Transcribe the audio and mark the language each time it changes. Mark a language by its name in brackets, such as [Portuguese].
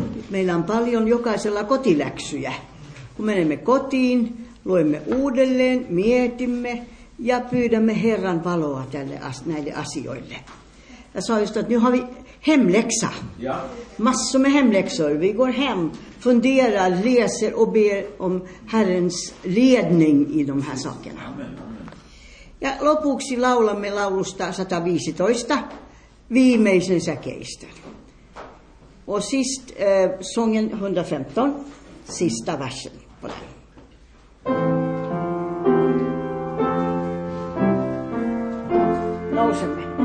[Finnish] Meillä on paljon jokaisella kotiläksyjä. Kun menemme kotiin, luemme uudelleen, mietimme ja pyydämme Herran valoa tälle näille asioille. [Swedish] Ja så just att nu har vi hemläxa. Ja. Massor med hemläxor. Vi går hem, funderar, läser och ber om Herrens ledning i de här sakerna. [Finnish] Ja lopuksi laulamme laulusta 115, viimeisen säkeistön. [Swedish] Och sist sången 115, sista versen på den. [Finnish] Lausemme.